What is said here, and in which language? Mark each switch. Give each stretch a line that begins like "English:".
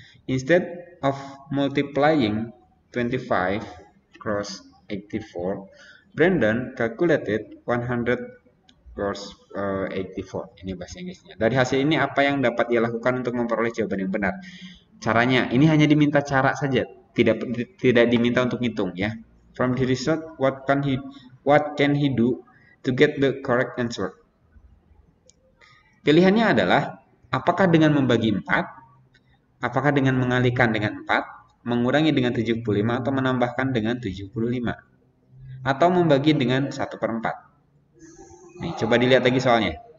English: Instead of multiplying 25 cross 84, Brandon calculated 100 cross 84.
Indonesian: Ini bahasa Inggrisnya. Dari hasil ini, apa yang dapat ia lakukan untuk memperoleh jawaban yang benar? Caranya, ini hanya diminta cara saja, tidak diminta untuk ngitung ya.
English: From the result, what can he do to get the correct answer?
Indonesian: Pilihannya adalah, apakah dengan membagi 4, apakah dengan mengalikan dengan 4, mengurangi dengan 75, atau menambahkan dengan 75, atau membagi dengan 1/4. Nih, coba dilihat lagi soalnya.